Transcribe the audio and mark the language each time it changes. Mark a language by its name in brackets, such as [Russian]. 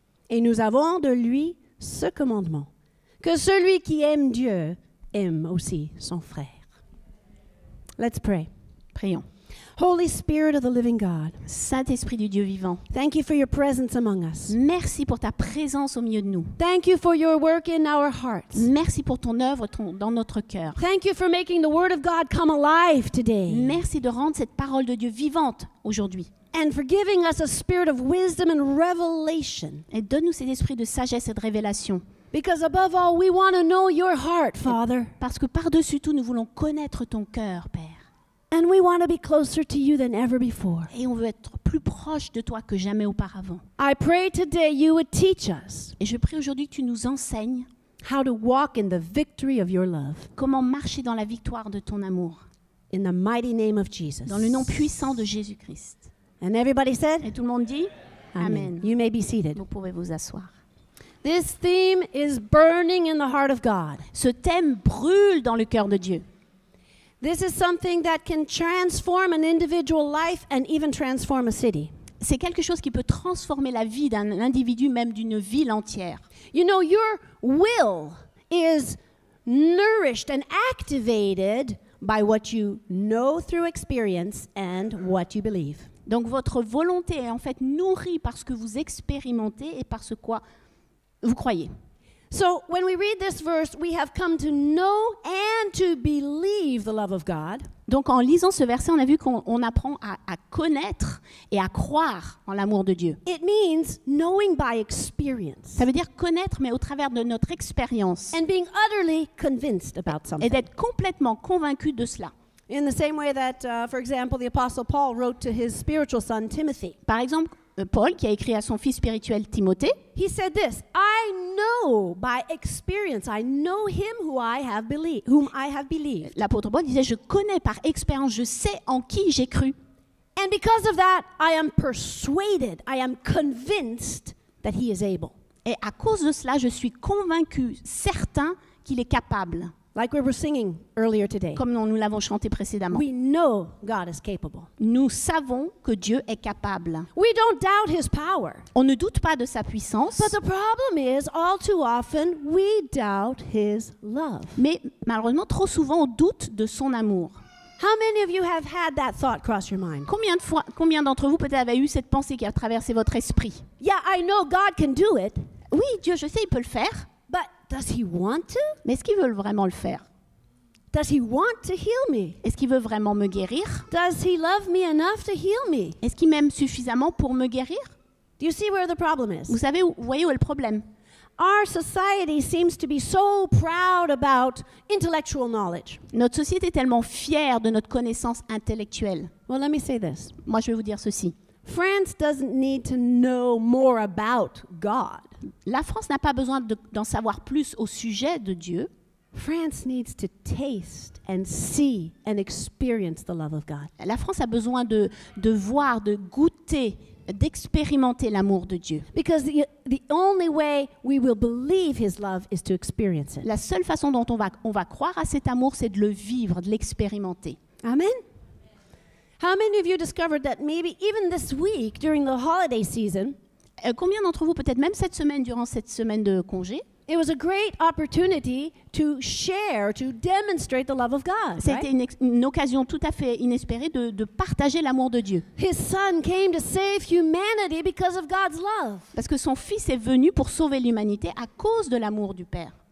[French] Et nous avons de lui ce commandement, que celui qui aime Dieu aime aussi son frère. [English] Let's pray. [French] Prions. [English] Holy Spirit of the living God. [French] Saint-Esprit du Dieu vivant. [English] Thank you for your presence among us. [French] Merci pour ta présence au milieu de nous. [English] Thank you for your work in our hearts. [French] Merci pour ton œuvre dans notre cœur. [English] Thank you for making the word of God come alive today. [French] Merci de rendre cette parole de Dieu vivante aujourd'hui. [English] And for giving us a spirit of wisdom and revelation. [French] Et donne-nous cet esprit de sagesse et de révélation. [English] Because above all, we want to know your heart, Father. [French] Parce que par-dessus tout, nous voulons connaître ton cœur, Père. [English] And we want to be closer to you than ever before. [French] Et on veut être plus proche de toi que jamais auparavant. [English] I pray today you would teach us. [French] Et je prie aujourd'hui que tu nous enseignes [English] how to walk in the victory of your love. [French] Comment marcher dans la victoire de ton amour. [English] In the mighty name of Jesus. [French] Dans le nom puissant de Jésus-Christ. [English] And everybody said? [French] Et tout le monde dit? [English] Amen. You may be seated. [French] Vous pouvez vous asseoir. [English] This theme is burning in the heart of God. [French] Ce thème brûle dans le cœur de Dieu. [English] This is something that can transform an individual life and even transform a city. [French] C'est quelque chose qui peut transformer la vie d'un individu, même d'une ville entière. [English] You know, your will is nourished and activated by what you know through experience and what you believe. [French] Donc votre volonté est en fait nourrie par ce que vous expérimentez et par ce quoi vous croyez. [English] So when we read this verse, we have come to know and to believe the love of God. [French] Donc en lisant ce verset, on a vu qu'on apprend à connaître et à croire en l'amour de Dieu. [English] It means knowing by experience. [French] Ça veut dire connaître, mais au travers de notre expérience. [English] And being utterly convinced about something. [French] Et d'être complètement convaincu de cela. [English] In the same way that, for example, the Apostle Paul wrote to his spiritual son Timothy. [French] Par exemple, Paul qui a écrit à son fils spirituel Timothée. [English] He said this, I know by experience, I know him who I have believed, whom I have believed. [French] L'apôtre Paul disait, je connais par expérience, je sais en qui j'ai cru. [English] And because of that, I am persuaded, I am convinced that he is able. [French] Et à cause de cela, je suis convaincu, certain qu'il est capable. [English] Like we were singing earlier today. [French] Comme nous l'avons chanté précédemment. [English] We know God is capable. [French] Nous savons que Dieu est capable. [English] We don't doubt his power. [French] On ne doute pas de sa puissance. [English] But the problem is, all too often, we doubt his love. [French] Mais malheureusement, trop souvent, on doute de son amour. [English] How many of you have had that thought cross your mind? [French] Combien d'entre vous peut-être avez eu cette pensée qui a traversé votre esprit? [English] Yeah, I know God can do it. [French] Oui, Dieu, je sais, il peut le faire. [English] But does he want to? [French] Mais est-ce qu'il veut vraiment le faire? [English] Does he want to heal me? [French] Est-ce qu'il veut vraiment me guérir? [English] Does he love me enough to heal me? [French] Est-ce qu'il m'aime suffisamment pour me guérir? [English] Do you see where the problem is? [French] Vous savez où, voyez où est le problème? [English] Our society seems to be so proud about intellectual knowledge. [French] Notre société est tellement fière de notre connaissance intellectuelle. [English] Well, let me say this. [French] Moi, je vais vous dire ceci. [English] France doesn't need to know more about God. [French] La France n'a pas besoin d'en savoir plus au sujet de Dieu. [English] France needs to taste and see and experience the love of God. [French] La France a besoin de voir, de goûter, d'expérimenter l'amour de Dieu. [English] Because the only way we will believe his love is to experience it. [French] La seule façon dont on va croire à cet amour, c'est de le vivre, de l'expérimenter. [English] Amen. How many of you discovered that maybe even this week during the holiday season? [French] Combien d'entre vous peut-être même cette semaine durant cette semaine de congé? [English] It was a great opportunity to share, to demonstrate the love of God. [French] C'était [English] right? [French] une occasion tout à fait inespérée de partager l'amour de Dieu. [English] His son came to save humanity because of God's love. [French] Parce que son fils est venu pour sauver l'humanité à cause de l'amour du Père.